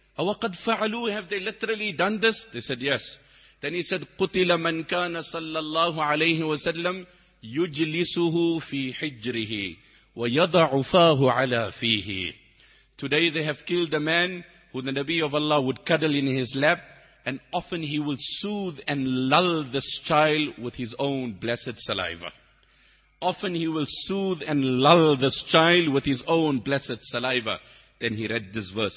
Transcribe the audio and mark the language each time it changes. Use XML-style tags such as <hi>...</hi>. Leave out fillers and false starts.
<ar>وَقَدْ فَعَلُوا,</ar> <en>have they literally done this? They said yes. Then he said,</en> <ar>قُتِلَ مَنْ كَانَ صَلَّى اللَّهُ عَلَيْهِ وَسَلَّمْ يُجْلِسُهُ فِي حِجْرِهِ وَيَضَعُ فَاهُ عَلَى فِيهِ.</ar> <en>Today they have killed a man who the Nabi of Allah would cuddle in his lap, and often he will soothe and lull this child with his own blessed saliva. Often he will soothe and lull this child with his own blessed saliva. Then he read this verse.</en>